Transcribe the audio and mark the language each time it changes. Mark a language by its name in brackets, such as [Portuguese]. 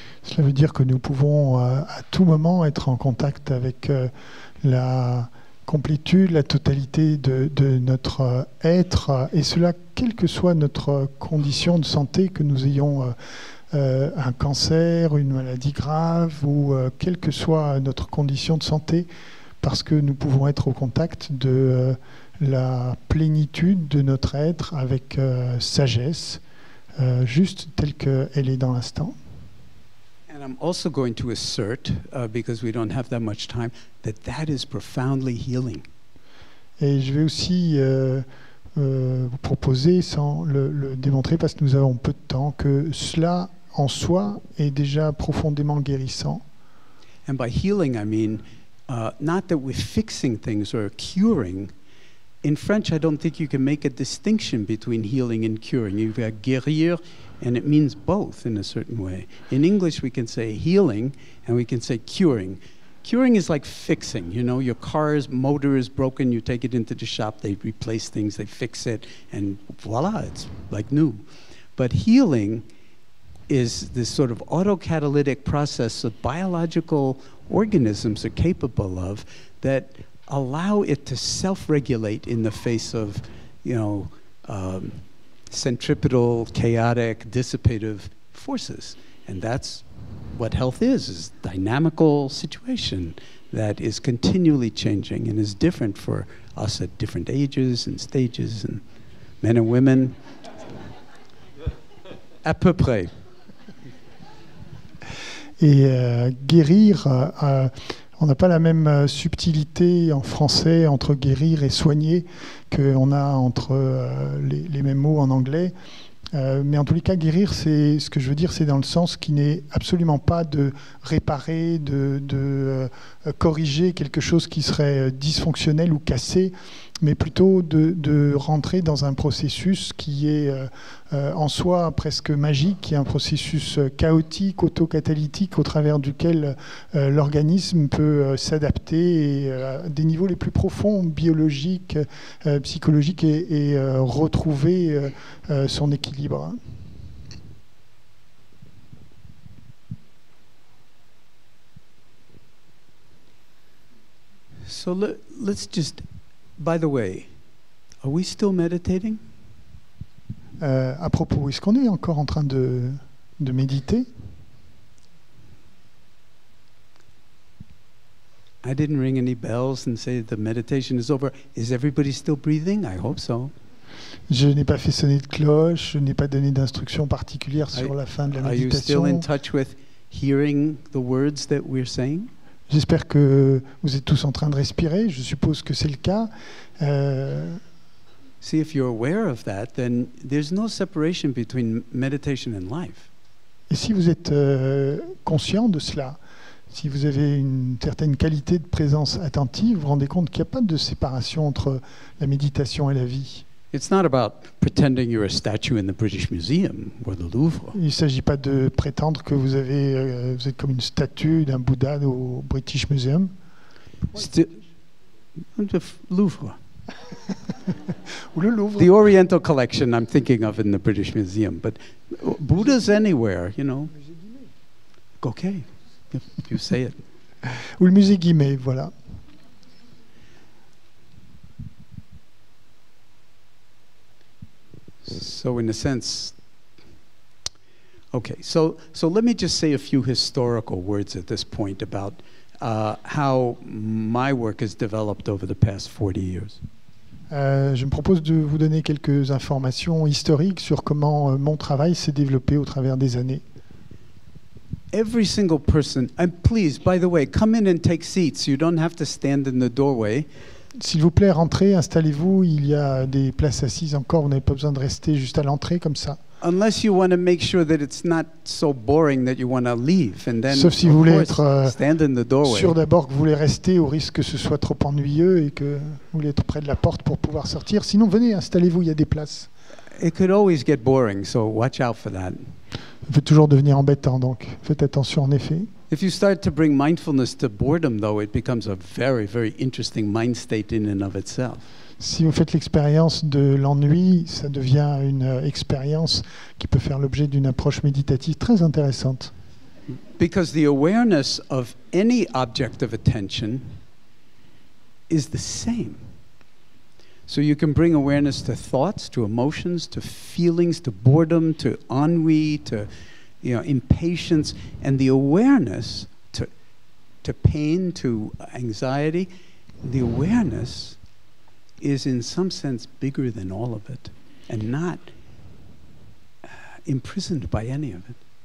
[French] Cela veut dire que nous pouvons à tout moment être en contact avec la complétude, la totalité de notre être, et cela quelle que soit notre condition de santé, que nous ayons un cancer, une maladie grave, ou quelle que soit notre condition de santé, parce que nous pouvons être au contact de la plénitude de notre être avec sagesse, juste telle qu'elle est dans l'instant. [English] And I'm also going to assert, because we don't have that much time, that that is profoundly healing. [French] Et je vais aussi vous proposer, sans le démontrer, parce que nous avons peu de temps, que cela en soi est déjà profondément guérissant. [English] And by healing I mean not that we're fixing things or curing. In French I don't think you can make a distinction between healing and curing. You've got guérir and it means both in a certain way. In English we can say healing and we can say curing. Curing is like fixing, you know, your car's motor is broken, you take it into the shop, they replace things, they fix it and voilà, it's like new. But healing is this sort of autocatalytic process that biological organisms are capable of that allow it to self-regulate in the face of, you know, centripetal, chaotic, dissipative forces. And that's what health is dynamical situation that is continually changing and is different for us at different ages and stages and men and women. [French] À peu près. Et guérir, on n'a pas la même subtilité en français entre guérir et soigner qu'on a entre les mêmes mots en anglais. Mais en tous les cas, guérir, c'est ce que je veux dire, c'est dans le sens qui n'est absolument pas de réparer, de corriger quelque chose qui serait dysfonctionnel ou cassé, mais plutôt de rentrer dans un processus qui est en soi presque magique, qui est un processus chaotique, autocatalytique, au travers duquel l'organisme peut s'adapter et, à des niveaux les plus profonds, biologiques, psychologiques, et retrouver son équilibre. [English] So let's just, by the way, are we still meditating? [French] À propos, est-ce qu'on est encore en train de méditer? [English] I didn't ring any bells and say the meditation is over. Is everybody still breathing? I hope so. [French] Je n'ai pas fait sonner de cloche, je n'ai pas donné d'instructions particulières sur la fin de la méditation. [English] Are you still in touch with hearing the words that we're saying? [French] J'espère que vous êtes tous en train de respirer, je suppose que c'est le cas. [English] See, if you're aware of that, then there's no separation between meditation and life. [French] Et si vous êtes conscient de cela, si vous avez une certaine qualité de présence attentive, vous rendez compte qu'il n'y a pas de séparation entre la méditation et la vie. [English] It's not about pretending you're a statue in the British Museum or the Louvre. [French] Il ne s'agit pas de prétendre que vous avez vous êtes comme une statue d'un Bouddha au British Museum. Louvre. Ou le Louvre. [English] The Oriental Collection I'm thinking of in the British Museum, but Buddha's anywhere, you know. Okay. You say it. [French] Ou le musée Guimet, voilà. [English] So in a sense, okay, so let me just say a few historical words at this point about how my work has developed over the past 40 years. [French] Je me propose de vous donner quelques informations historiques sur comment mon travail s'est développé au travers des années. [English] Every single person, and please, by the way, come in and take seats. You don't have to stand in the doorway. [French] S'il vous plaît, rentrez, installez-vous. Il y a des places assises encore. Vous n'avez pas besoin de rester juste à l'entrée comme ça. [English] Unless you want to make sure that it's not so boring that you want to leave, and then. [French] Sauf si vous voulez être [English] stand in the doorway. [French] Sûr d'abord que vous voulez rester au risque que ce soit trop ennuyeux et que vous voulez être près de la porte pour pouvoir sortir. Sinon, venez, installez-vous. Il y a des places. [English] It could always get boring, so watch out for that. [French] Ça peut toujours devenir embêtant, donc faites attention en effet. [English] If you start to bring mindfulness to boredom, though, it becomes a very, very interesting mind state in and of itself. [French] Si vous faites l'expérience de l'ennui, ça devient une expérience qui peut faire l'objet d'une approche méditative très intéressante. [English] Because the awareness of any object of attention is the same. So you can bring awareness to thoughts, to emotions, to feelings, to boredom, to ennui, to impatience, and the awareness to pain, to anxiety, the awareness is in some sense bigger than all of it and not imprisoned by any of it.